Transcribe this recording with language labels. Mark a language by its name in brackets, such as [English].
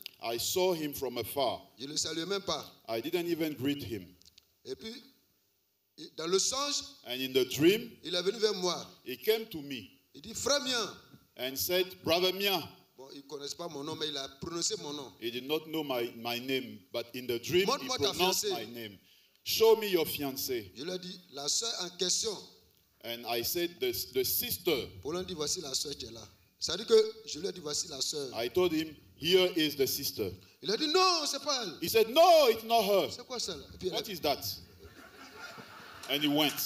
[English] I saw him from afar. [French] Je le saluais même pas. [English] I didn't even greet him. [French] Et puis, dans le songe, [English] and in the dream, [French] il est venu vers moi. [English] He came to me. [French] Il dit, frère Mien. [English] And said, brother Mien. [French] Bon, il connaissait pas mon nom, mais il a prononcé mon nom. [English] He did not know my name, but in the dream, he pronounced my name. Show me your fiancé. [French] Je lui ai dit, la sœur en question. [English] And I said, the sister. [French] Paul a dit, voici la sœur qui est là. Ça dit que je lui ai dit, voici la sœur. [English] I told him, here is the sister. [French] Il a dit, non, c'est pas elle. [English] He said, no, it's not her. [French] C'est quoi celle-là? Et puis [English] what is that? And he went.